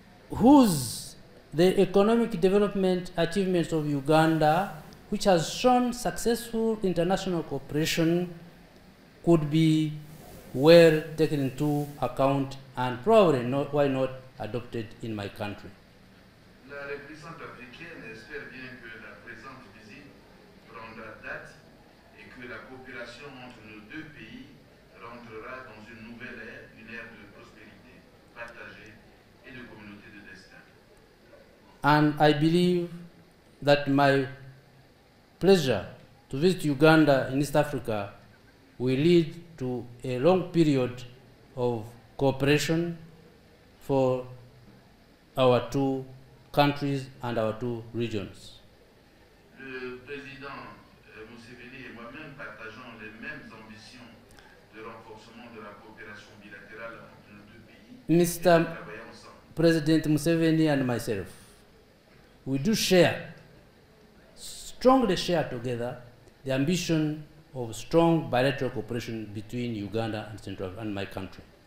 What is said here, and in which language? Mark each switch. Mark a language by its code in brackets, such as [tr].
[en] whose the economic development achievements of Uganda, which has shown successful international cooperation, could be well taken into account and probably, not, why not, adopted in my country. [fr] La représentante africaine espère bien que la présente visite prendra date et que la coopération entre nos deux pays rentrera dans une nouvelle ère, une ère de prospérité partagée et de communauté de destin. [en] And I believe that my pleasure to visit Uganda in East Africa will lead to a long period of cooperation for our two countries and our two regions. [fr] Le président Museveni et moi-même partageons les mêmes ambitions de renforcement de la coopération bilatérale entre nos deux pays. [en] Mr. President Museveni and myself, we do share, strongly share together, the ambition of strong bilateral cooperation between Uganda and Central Africa and my country.